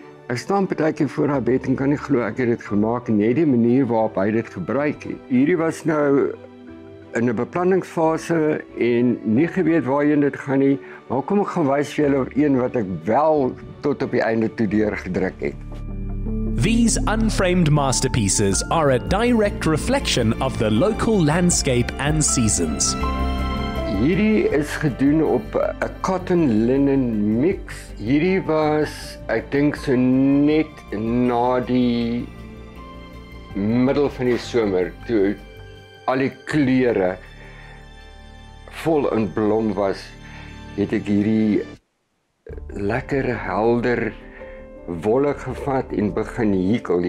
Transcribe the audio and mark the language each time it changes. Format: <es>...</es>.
<af>Ek staan partykeer voor haar bed en kan nie glo ek het dit gemaak en net die manier waarop hy dit gebruik het. Hierdie was nou in 'n beplanningsfase en nie geweet waarheen dit gaan nie, maar kom ek gewys vir julle een wat ek wel tot op die einde toe deurgedruk het.</af> <en>These unframed masterpieces are a direct reflection of the local landscape and seasons.</en> <af>Hierdie is gedoen op 'n cotton linen mix. Hierdie was, ek dink, so net na die middel van die somer, toe al die kleure vol in blom was, het ek hierdie lekker helder wolle gevat en begin hekel.</af>